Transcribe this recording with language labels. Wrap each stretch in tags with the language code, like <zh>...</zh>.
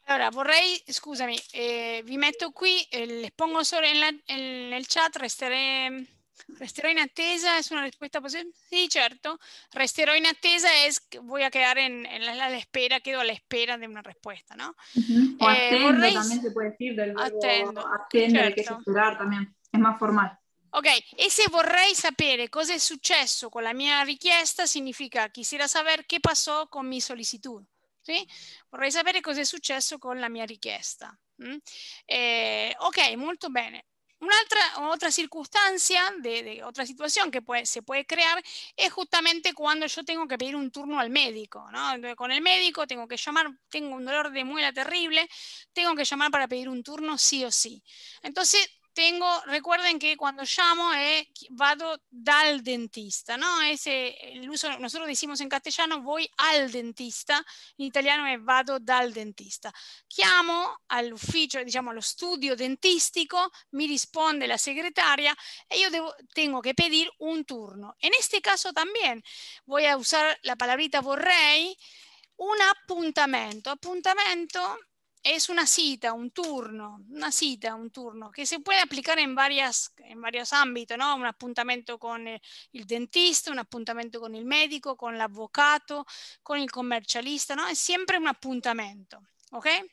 <it>Allora, vorrei, scusami, vi metto qui,</it> <es>les pongo solo en el chat,</es> <it>resteré Resterò in attesa,</it> <es>¿es una respuesta posible? Sí, cierto. Resterò in attesa es voy a quedar en la espera, quedo a la espera de una respuesta, ¿no? Uh-huh. O atendo, ¿vorréis? También se puede decir del verbo atendo, que es esperar también, es más formal.</es> <it>Ok, e se vorrei sapere cosa è successo con la mia richiesta, significa</it> <es>quisiera saber che passò con mi solicitud.</es> <it>Sì? Vorrei sapere cosa è successo con la mia richiesta. Mm? Ok, molto bene. Un'altra circostanza, un'altra situazione che si può creare è giustamente quando io tengo che pedire un turno al medico, no? Con il medico tengo che chiamare, tengo un dolore di muela terribile, tengo che chiamare per pedire un turno sì o sì.</it> <es>Entonces, recuerden que cuando llamo</es> <it>vado dal dentista,</it> <es>¿no? Nosotros decimos en castellano voy al dentista, en italiano es</es> <it>vado dal dentista. Chiamo all'ufficio, diciamo allo studio dentistico, mi risponde la segretaria e</it> <es>yo tengo que pedir un turno. En este caso también voy a usar la palabrita vorrei, un appuntamento. Appuntamento es una cita, un turno, que se puede aplicar en varios ámbitos, ¿no? Un appuntamento con el dentista, un appuntamento con el médico, con el abogado, con el comercialista, ¿no? Es siempre un appuntamento, ¿ok?</es>